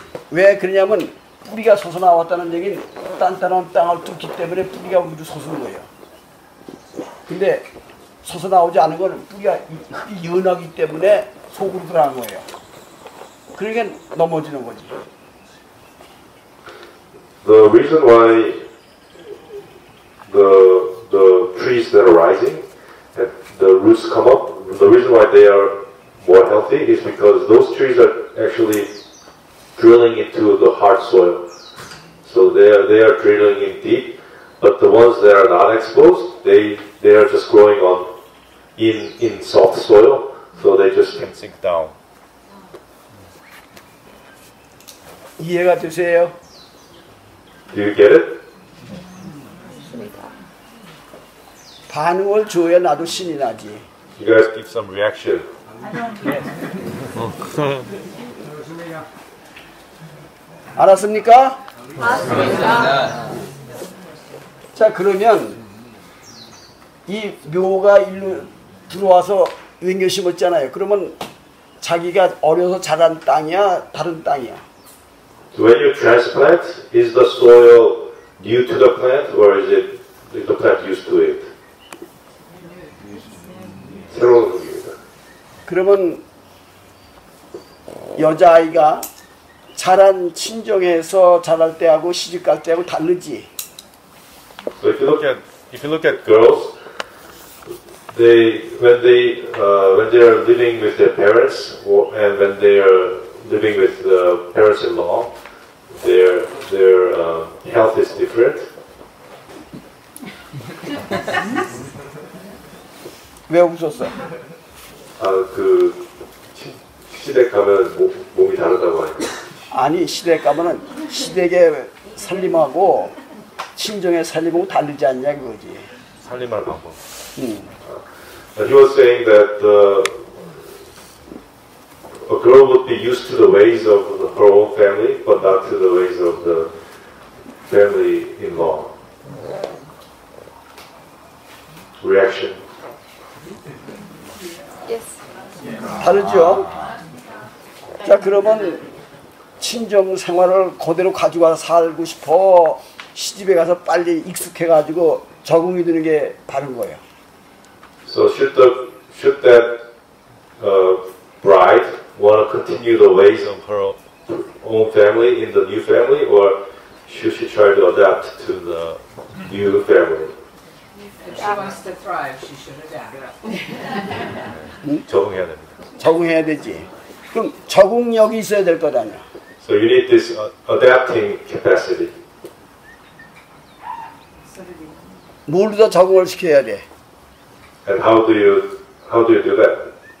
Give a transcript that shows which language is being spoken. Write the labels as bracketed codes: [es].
[ko] 왜 그러냐면 뿌리가 솟아 나왔다는 얘기는 단단한 땅을 뚫기 때문에 뿌리가 우주 솟은 거예요. 근데 솟아 나오지 않은 건 뿌리가 연하기 때문에 속으로 들어간 거예요. 그러니까 넘어지는 거지. [en] The reason why the trees that are rising and the roots come up, the reason why they are more healthy is because those trees are actually drilling into the hard soil. So they are drilling in deep, but the ones that are not exposed, they are just growing on in soft soil, so they just can sink down. [ko] 이해가 되세요? [en] Do you get it? [ko] 반응을 줘야 나도 신이 나지. [en] You guys give some reaction. Yes. [ko] 알았습니까? 알았습니다. 자, 그러면 이 묘가 일로 들어와서 은교 심었잖아요. 그러면 자기가 어려서 자란 땅이야, 다른 땅이야? [en] When you transplant, is the soil new to the plant or is it the plant used to it? [ko] 새로운 그러면 여자아이가 자란 친정에서 자랄 때하고 시집 갈 때하고 다르지? [en] So if you look at girls, when they are living with their parents and when they are living with the parents-in-law, their health is different. [ko] 왜 웃었어? 아, 그 시댁 가면 몸이 다르다고 하니까. 아니, 시댁 가면은 시댁의 살림하고 친정의 살림하고 다르지 않냐 그거지. 살림할 방법. 응. [en] He was saying that a girl would be used to the ways of her own family, but not to the ways of the family-in-law. Reaction. [ko] 다르죠? 자, 그러면 친정 생활을 그대로 가지고 와서 살고 싶어 시집에 가서 빨리 익숙해가지고 적응이 되는 게 바른 거예요. [en] So should that bride want to continue the ways of her own family in the new family, or should she try to adapt to the new family? If she wants to thrive, she should adapt. [ko] 적응해야 되지. 그럼 적응력이 있어야 될 거 아니야. [en] So you need this adapting capacity. [ko] 뭘 더 적응을 시켜야 돼? [en] And how do you do that?